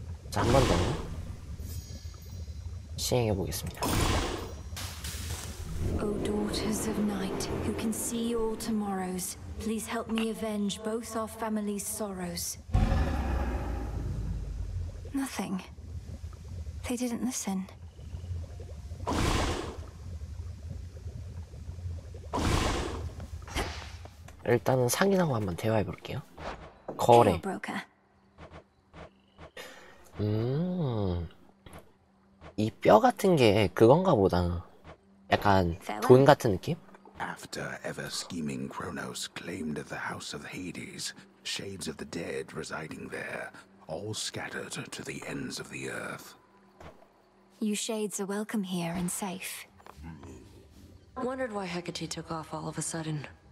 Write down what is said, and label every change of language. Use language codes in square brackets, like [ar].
[ko] 자, 한 번 더 시행해 보겠습니다. [en] Oh, daughters of night, who can see all tomorrows, please help me avenge both our family's sorrows. Nothing. They didn't listen. [ko] 일단은 상인하고 한번 대화해 볼게요. 거래. 이 뼈 같은 게 그건가 보다. 약간 돈 같은 느낌? [en] After ever scheming Kronos claimed the house of Hades, shades of the dead residing there, all scattered to the ends of the earth. You shades are welcome here and safe. Wondered why Hecate took off all of a sudden.